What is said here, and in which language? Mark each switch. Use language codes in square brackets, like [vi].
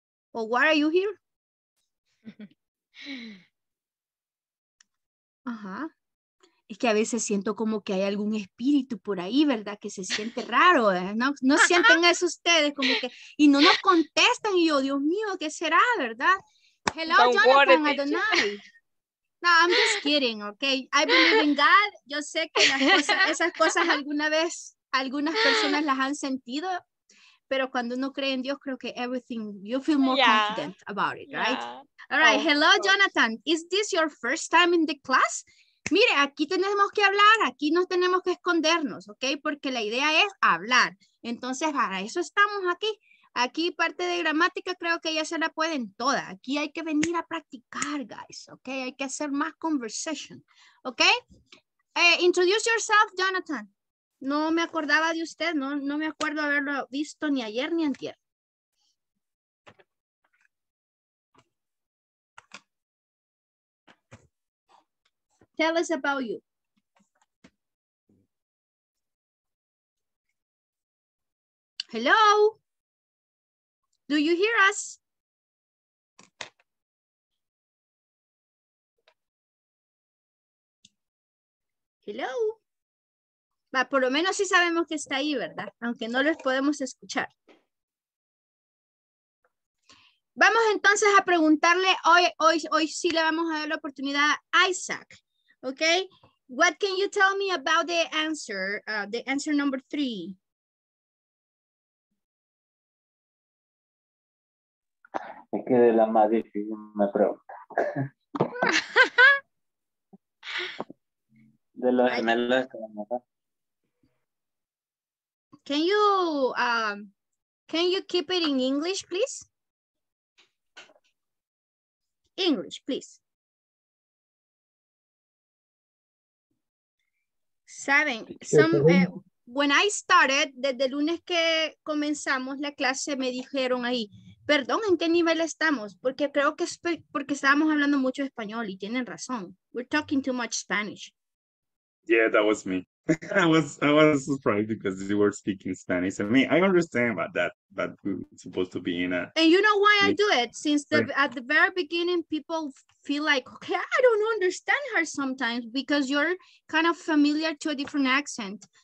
[en] ¿O why are you here? Ajá. [es] Es que a veces siento como que hay algún espíritu por ahí, ¿verdad? Que se siente raro, ¿eh? ¿No sienten eso ustedes? Como que, y no nos contestan y yo, Dios mío, ¿qué será, verdad? [en] Hello, don't Jonathan, worry, Adonai. No, I'm just kidding, okay? I believe in God. [es] Yo sé que las cosas, esas cosas alguna vez, algunas personas las han sentido. [en] Pero cuando uno cree en Dios, creo que everything, you feel more confident about it, right? Yeah. All right, hello, Jonathan. Is this your first time in the class? [es] Mire, aquí tenemos que hablar, aquí no tenemos que escondernos, ¿ok? Porque la idea es hablar. Entonces, para eso estamos aquí. Aquí parte de gramática creo que ya se la pueden toda. Aquí hay que venir a practicar, guys, ¿ok? Hay que hacer más conversation, ¿ok? Introduce yourself, Jonathan. No me acordaba de usted, no me acuerdo haberlo visto ni ayer ni antier. [en] Tell us about you. Hello? Do you hear us? Hello? [es] Va, por lo menos sí sabemos que está ahí, ¿verdad? Aunque no les podemos escuchar. Vamos entonces a preguntarle, hoy sí le vamos a dar la oportunidad a Isaac. [en] Okay, what can you tell me about the answer number 3? [es] Es que de la más difícil me pregunta. De los gemelos. [en] Can you keep it in English, please? English, please. [es] Saben, when I started, desde el lunes que comenzamos la clase, me dijeron ahí, perdón, ¿en qué nivel estamos? Porque creo que es porque estábamos hablando mucho español y tienen razón. [en] We're talking too much Spanish. Yeah, that was me. I was surprised because you were speaking Spanish. I mean, I understand about that, but we're supposed to be in a... And you know why I do it? Since at the very beginning, people feel like, okay, I don't understand her sometimes because you're kind of familiar to a different accent.